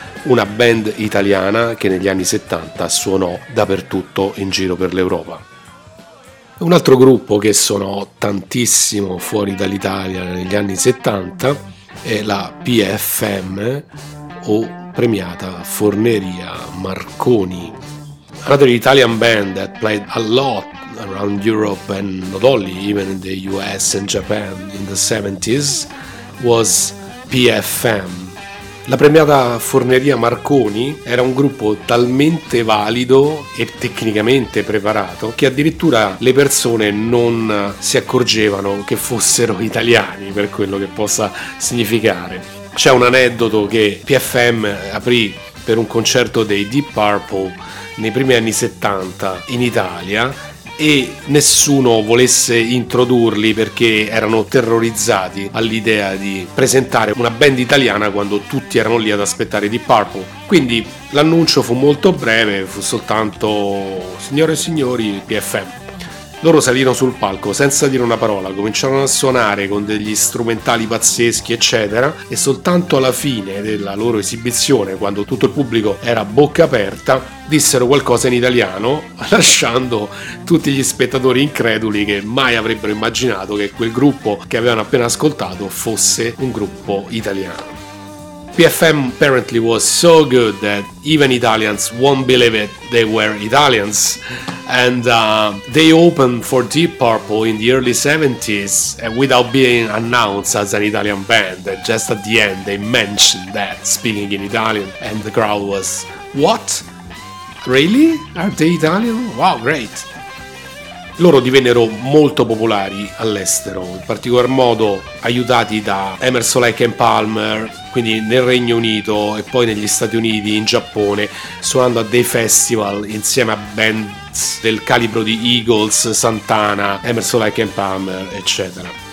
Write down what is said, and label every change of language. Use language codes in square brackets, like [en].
[it] Una band italiana che negli anni 70 suonò dappertutto in giro per l'Europa. Un altro gruppo che suonò tantissimo fuori dall'Italia negli anni 70 è la PFM, o premiata Forneria Marconi. [en] Another Italian band that played a lot around Europe and not only, even in the US and Japan in the 70s, was PFM. [it] La premiata Forneria Marconi era un gruppo talmente valido e tecnicamente preparato che addirittura le persone non si accorgevano che fossero italiani, per quello che possa significare. C'è un aneddoto che PFM aprì per un concerto dei Deep Purple nei primi anni 70 in Italia e nessuno volesse introdurli perché erano terrorizzati all'idea di presentare una band italiana quando tutti erano lì ad aspettare Deep Purple. Quindi l'annuncio fu molto breve, fu soltanto: signore e signori, PFM. Loro salirono sul palco senza dire una parola, cominciarono a suonare con degli strumentali pazzeschi, eccetera, e soltanto alla fine della loro esibizione, quando tutto il pubblico era a bocca aperta, dissero qualcosa in italiano, lasciando tutti gli spettatori increduli che mai avrebbero immaginato che quel gruppo che avevano appena ascoltato fosse un gruppo italiano. [en] PFM apparently was so good that even Italians won't believe it they were Italians, and they opened for Deep Purple in the early 70s without being announced as an Italian band. Just at the end they mentioned that, speaking in Italian, and the crowd was, what? Really? Are they Italian? Wow, great! [it] Loro divennero molto popolari all'estero, in particolar modo aiutati da Emerson, Lake & Palmer, quindi nel Regno Unito e poi negli Stati Uniti, in Giappone, suonando a dei festival insieme a bands del calibro di Eagles, Santana, Emerson, Lake & Palmer, eccetera.